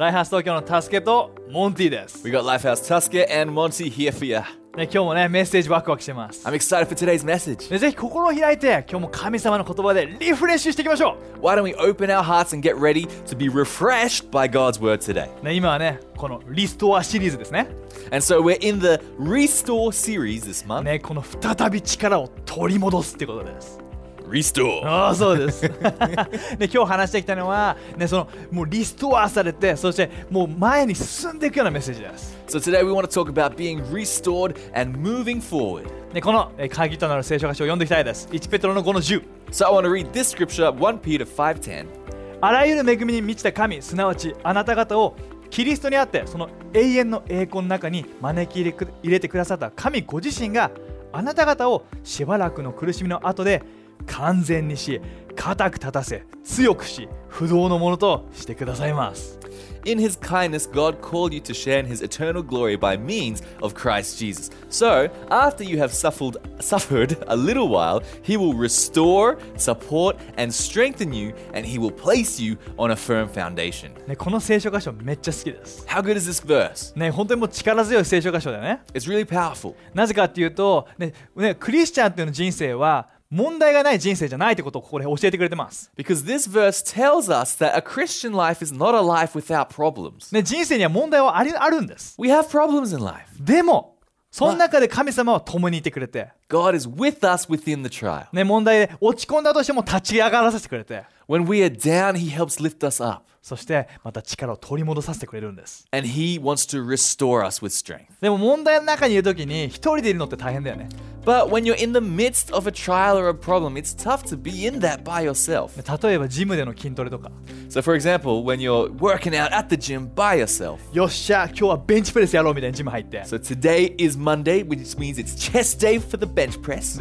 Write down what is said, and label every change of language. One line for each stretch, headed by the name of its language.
Japanese: ライフハウス東京のタスケとモンティです。
English: We got ライフハウス Tasuke and Monty here for you.
Japanese: ね、今日もね、メッセージワクワクしてます。
English: I'm excited for today's message.
Japanese: ぜひ心を開いて、今日も神様の言葉でリフレッシュしていきましょう。
English: Why don't we open our hearts and get ready to be refreshed by God's word today?
Japanese: ね、今はね、このリストアシリーズですね。
English: And so we're in the Restore series this month.
Japanese: ね、この再び力を取り戻すってことです。
English: Restore.
Japanese: ああ、そうです。ね、今日話していきたいのは、ね、その、もうリストアされて、そしてもう前に進んでいくようなメッセージです。
English: So today we want to talk about being restored and moving forward.
Japanese: ね、この、鍵となる聖書箇所を読んでいきたいです。 1ペトロの5の10。
English: So I want to read this scripture, 1 Peter 5:10.
Japanese: あらゆる恵みに満ちた神、すなわちあなた方をキリストにあって、その永遠の栄光の中に招き入れてくださった神ご自身があなた方をしばらくの苦しみの後で完全にし、固く立たせ、強くし、不動のものとしてくださいます。
English: In his kindness, God called you to share in his eternal glory by means of Christ Jesus. So, after you have suffered a little while, he will restore, support, and strengthen you, and he will place you on a firm foundation.
Japanese: ね、この聖書箇所めっちゃ好きです。
English: How good is this verse?
Japanese: ね、本当にもう力強い聖書箇所だよね。
English: It's really powerful.
Japanese: なぜかっていうと、ね、ね、クリスチャンっていうの人生は問題がない人生じゃないってことをここで教えてくれてます。
English: Because this verse tells us that a Christian life is not a life without problems.
Japanese: ね、人生には問題はあるんです。
English: We have problems in life.
Japanese: でも、その中で神様は共にいてくれて。
English: God is with us within the trial.
Japanese: ね、問題で落ち込んだとしても立ち上がらせてくれて。
English: When we are down, he helps lift us up.
Japanese: そしてまた力を取り戻させてくれるんです。
English: And he wants to restore us with strength.
Japanese: でも問題の中にいるときに一人でいるのって大変だよね。
English: But when you're in the midst of a trial or a problem, it's tough to be in that by yourself.
Japanese: 例えばジムでの筋トレとか。
English: So for example, when you're working out at the gym by yourself.
Japanese: よっしゃ、今日はベンチプレスやろうみたいにジム入って。
English: So today is Monday, which means it's chest day for the bench press.